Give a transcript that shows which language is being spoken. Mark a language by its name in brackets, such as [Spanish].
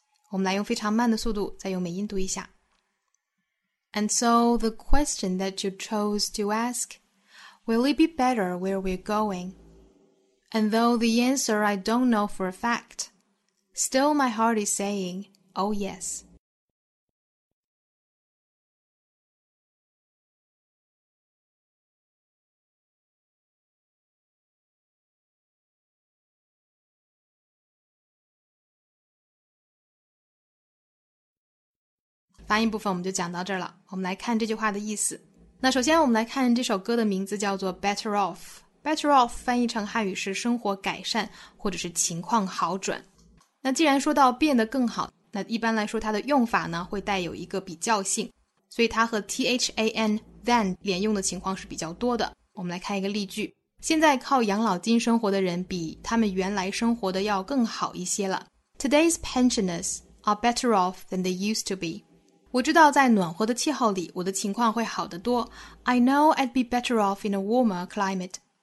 [Chinese] 我们来用非常慢的速度再用美音读一下。 [English] And so the question that you chose to ask, will it be better where we're going? And though the answer I don't know for a fact, still my heart is saying, oh yes。 [Chinese] 发音部分我们就讲到这儿了，我们来看这句话的意思。那首先我们来看这首歌的名字叫做 Better Off， Better Off 翻译成汉语是生活改善或者是情况好转。那既然说到变得更好，那一般来说它的用法呢会带有一个比较性，所以它和 than than 连用的情况是比较多的。我们来看一个例句，现在靠养老金生活的人比他们原来生活的要更好一些了。 [English] Today's pensioners are better off than they used to be。 [Chinese] 我知道在暖和的气候里我的情况会好得多。 [English] I know I'd be better off in a warmer climate。